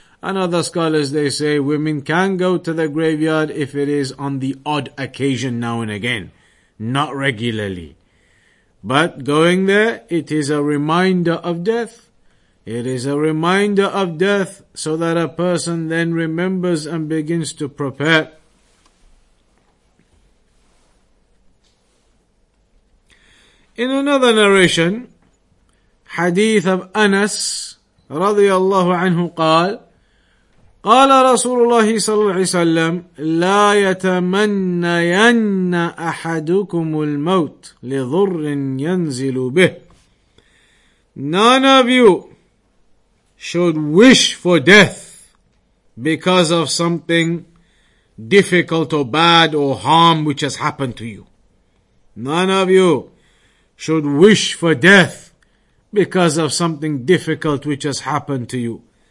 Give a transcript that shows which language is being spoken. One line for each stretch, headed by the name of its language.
English: And other scholars, they say women can go to the graveyard if it is on the odd occasion now and again. Not regularly. But going there, it is a reminder of death. It is a reminder of death so that a person then remembers and begins to prepare. In another narration, hadith of Anas,
Arabic: رضي الله عنه قال, قال رسول الله صلى الله عليه وسلم, لا يتمنين أحدكم الموت لضر ينزل به.
English: None of you should wish for death because of something difficult or bad or harm which has happened to you. None of you should wish for death because of something difficult which has happened to you.